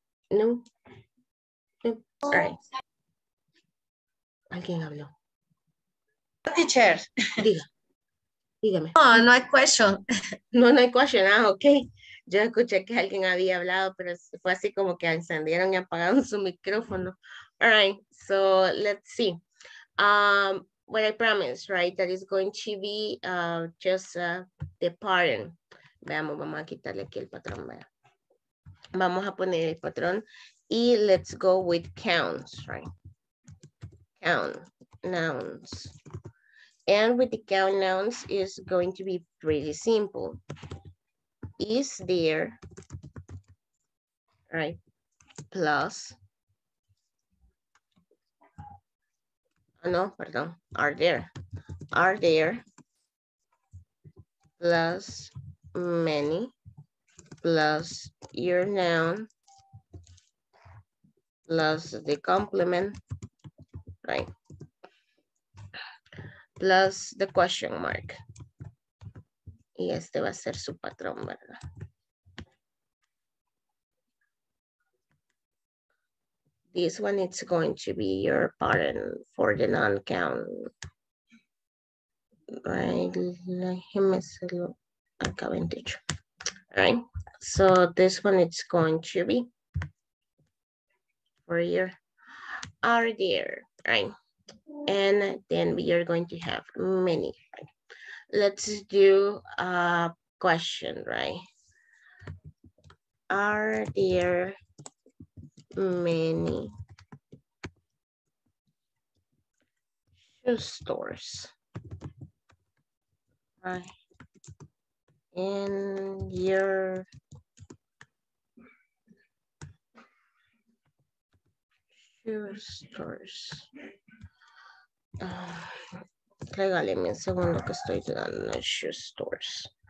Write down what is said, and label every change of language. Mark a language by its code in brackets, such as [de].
[en] No? No. All right. [es] Alguien habló. [en] Teacher. [es] Diga. Dígame. No, no hay question. No, no hay question. Ah, ok. Yo escuché que alguien había hablado, pero fue así como que encendieron y apagaron su micrófono. [en] All right. So, let's see. What I promise, right? That is going to be just the pattern. [es] Veamos, vamos a quitarle aquí el patrón. ¿Verdad? Vamos a poner el patrón y [en] let's go with counts, right? Count nouns. And with the count nouns, it's going to be pretty simple. Is there, right, plus, no, pardon, are there plus many plus your noun plus the complement, right? Plus the question mark. [es] Y este va a ser su patrón, ¿verdad? [en] This one, it's going to be your pattern for the non-count. Right? Right? So this one, it's going to be for your are there, right? And then we are going to have many. Right? Let's do a question, right? Are there many shoe stores, right, in your shoe stores? [es] Regáleme un segundo que estoy dudando en shoe stores.